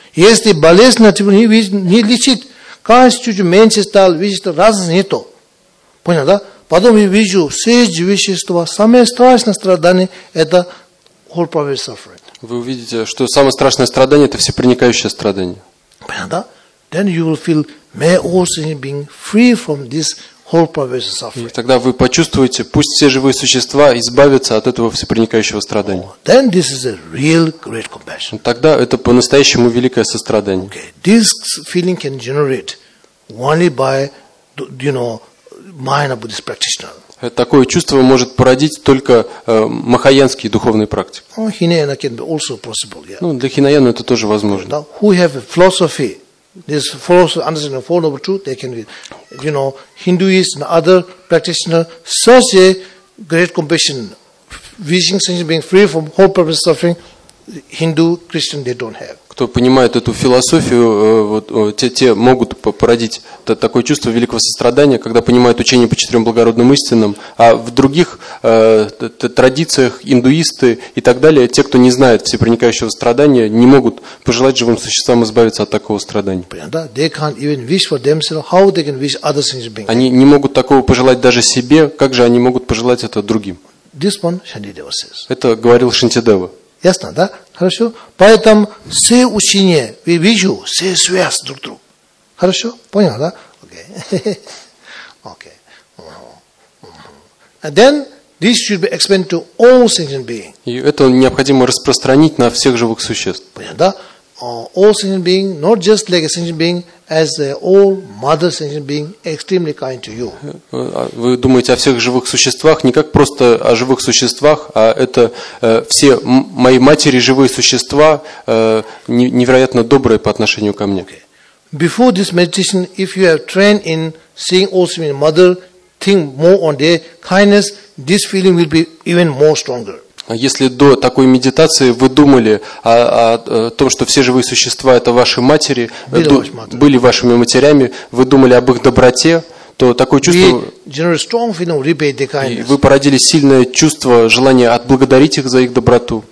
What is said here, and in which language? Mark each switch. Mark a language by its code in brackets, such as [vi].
[ru] Если болезненный туберкулез не лечит, каждый чуть меньше стал, видите, разница не то. Понятно, да? Потом я вижу, все вещества, самое страшное страдание – это [en] whole pervasive suffering. [ru] Вы увидите, что самое страшное страдание – это всепроникающее страдание. Понятно, да? [en] Then you will feel may also being free from this. [ru] И тогда вы почувствуете, пусть все живые существа избавятся от этого всепроникающего страдания. [en] Oh, then this is a real great compassion. [ru] Тогда это по-настоящему великое сострадание. [en] Okay. This feeling can generate only by, you know, mind of this practitioner. [ru] Такое чувство может породить только махаянские духовные практики. [en] Oh, Hinayana can be also possible, yeah. [ru] Ну, для Хинаяна это тоже возможно. [en] Okay. Who have a philosophy? This false understanding of four noble truths, they can, you know, Hinduists and other practitioners, such a great compassion, wishing sentient being free from whole purpose of suffering, Hindu, Christian, they don't have. [ru] Кто понимает эту философию, вот, те могут породить такое чувство великого сострадания, когда понимают учение по четырем благородным истинам, а в других традициях индуисты и так далее, те, кто не знает всепроникающего страдания, не могут пожелать живым существам избавиться от такого страдания. [en] They can't even wish for themselves, how they can wish other things being. [ru] Они не могут такого пожелать даже себе, как же они могут пожелать это другим? [en] This one, Шантидева says. [ru] Это говорил Шантидева. Ясно, да? Хорошо? Поэтому все учения, я вижу, все связаны друг с другом. Хорошо? Понял, да? Окей. Окей. [en] And then, this should be expanded to all sentient beings. [ru] И это необходимо распространить на всех живых существ. Понял, да? [en] All sentient beings, not just like a sentient being, as the old mother sentient being, extremely kind to you. [ru] Вы думаете о всех живых существах, не как просто о живых существах, а это все мои матери живые существа, невероятно добрые по отношению ко мне. Okay. [en] Before this meditation, if you have trained in seeing all sentient mother, think more on their kindness, this feeling will be even more stronger. [ru] Если до такой медитации вы думали о том, что все живые существа – это ваши матери, были вашими матерями, вы думали об их доброте, то такое чувство… Вы породили сильное чувство, желание отблагодарить их за их доброту.